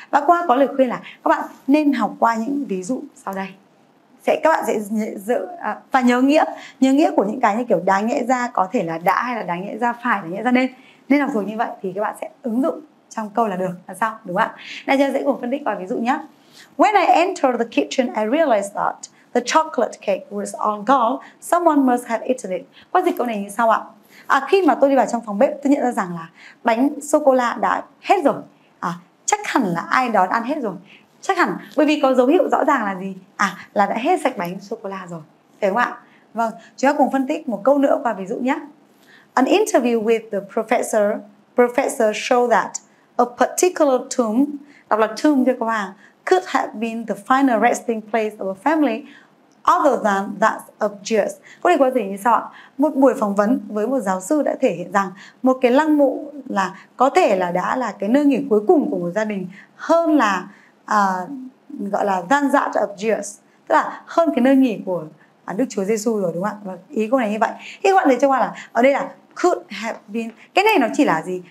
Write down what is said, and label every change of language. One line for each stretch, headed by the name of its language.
Vietnamese: Và qua có lời khuyên là các bạn nên học qua những ví dụ sau đây. Các bạn sẽ và nhớ nghĩa của những cái như kiểu đáng nhẽ ra có thể là đã, hay là đáng nhẽ ra phải, đáng nhẽ ra nên. Nên học thuộc như vậy thì các bạn sẽ ứng dụng trong câu là được, là sao, đúng không ạ? Nãy giờ sẽ cùng phân tích vài ví dụ nhé.
English: When I entered the kitchen, I realized that the chocolate cake was all gone. Someone must have eaten it.
Vietnamese: Quan dịch câu này như sau ạ. Khi mà tôi đi vào trong phòng bếp, tôi nhận ra rằng là bánh sô-cô-la đã hết rồi. Chắc hẳn là ai đó đã ăn hết rồi. Chắc hẳn, bởi vì có dấu hiệu rõ ràng là gì? Là đã hết sạch bánh sô-cô-la rồi. Phải không ạ? Vâng, chúng ta cùng phân tích một câu nữa qua ví dụ nhé.
English: An interview with the professor showed that a particular tomb,
Vietnamese: đọc là tomb cho các bạn,
English: could have been the final resting place of a family other than that of Jesus.
Vietnamese: Có thể có gì như sau ạ? Một buổi phỏng vấn với một giáo sư đã thể hiện rằng một cái lăng mộ là có thể là đã là cái nơi nghỉ cuối cùng của một gia đình hơn là gọi là
English: than that of Jesus,
Vietnamese: tức là hơn cái nơi nghỉ của Đức Chúa Giêsu rồi đúng không ạ? Ý câu này như vậy. Thế các bạn lấy cho qua là ở đây là could have been. Cái này nó chỉ là gì?